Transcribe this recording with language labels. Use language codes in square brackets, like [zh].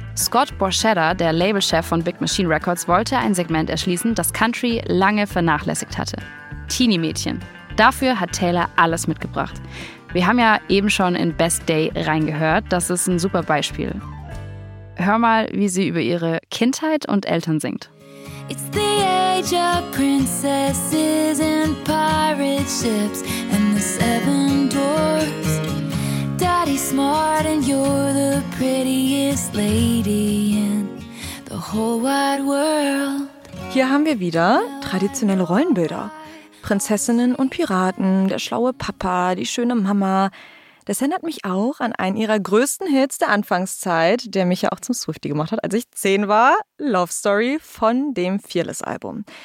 [de] Scott Borchetta, der Labelchef von Big Machine Records, wollte ein Segment erschließen, das Country lange vernachlässigt hatte. Teenie-Mädchen. Dafür hat Taylor alles mitgebracht. Wir haben ja eben schon in Best Day reingehört. Das ist ein super Beispiel. Hör mal, wie sie über ihre Kindheit und Eltern singt. [en] It's the age of princesses and pirate ships and the seven dwarfs. Daddy's smart and you're the prettiest lady in the whole wide world. [de] Hier haben wir wieder traditionelle Rollenbilder. Prinzessinnen und Piraten, der schlaue Papa, die schöne Mama. Das erinnert mich auch an einen ihrer größten Hits der Anfangszeit, der mich ja auch zum Swiftie gemacht hat, als ich 10 war, Love Story von dem Fearless-Album.